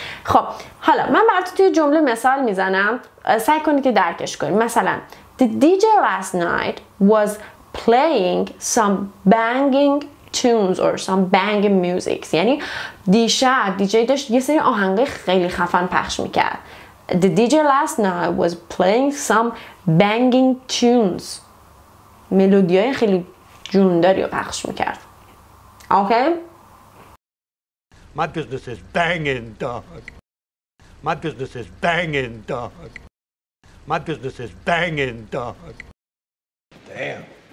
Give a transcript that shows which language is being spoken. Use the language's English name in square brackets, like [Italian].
[Persian] خب حالا من براتون توی جمله مثال میزنم، سعی کنید که درکش کنید. [English] مثلا The DJ last night was playing some banging tunes or some banging music. [Persian] یعنی دیشب DJ داشت یه سری آهنگ خیلی خفن پخش میکرد. [English] The DJ last night was playing some banging tunes. [Persian] ملودیای خیلی جونداری رو پخش میکرد. [English] Okay? My business is banging, dog. My business is banging, dog. My business is banging, dog. Damn.